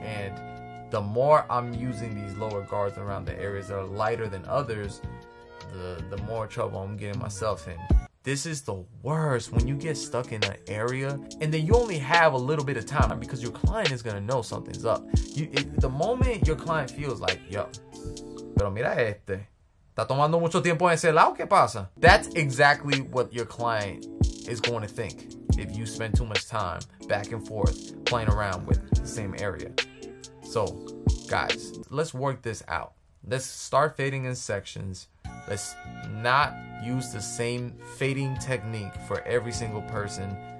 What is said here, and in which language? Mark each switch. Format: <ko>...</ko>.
<en>And the more I'm using these lower guards around the areas that are lighter than others, the more trouble I'm getting myself in. This is the worst when you get stuck in an area and then you only have a little bit of time, because your client is gonna know something's up. The moment your client feels like,</en> <es>yo, pero mira este, está tomando mucho tiempo en ese lado, ¿qué pasa?</es> <en>That's exactly what your client is going to think if you spend too much time back and forth playing around with the same area. So guys, let's work this out. Let's start fading in sections. Let's not use the same fading technique for every single person.</en>